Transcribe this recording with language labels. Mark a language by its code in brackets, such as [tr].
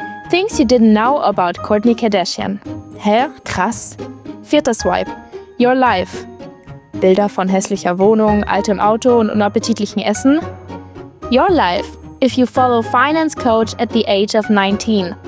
[en] Things you didn't know about Kourtney Kardashian. [de] Hä? Krass. Vierter Swipe. [en] Your life. [de] Bilder von hässlicher Wohnung, altem Auto und unappetitlichem Essen? [en] Your life. If you follow finance coach at the age of 19.